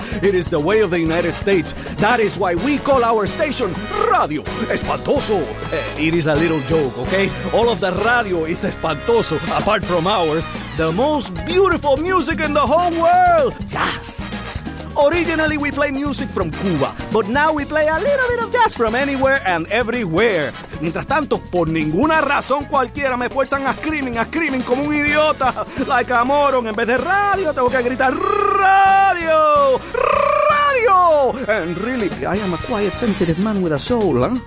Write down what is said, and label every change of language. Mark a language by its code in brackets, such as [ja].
[en] It is the way of the United States. That is why we call our station Radio Espantoso. It is a little joke, okay? All of the radio is espantoso, apart from ours. The most beautiful music in the whole world! Yes! Originally, we play music from Cuba, but now we play a little bit of jazz from anywhere and everywhere. [es] Mientras tanto, por ninguna razón cualquiera, me fuerzan a [en] screaming [es] como un idiota, [en] like a moron. [es] En vez de radio, tengo que gritar radio, radio. [en] And really, I am a quiet, sensitive man with a soul, huh?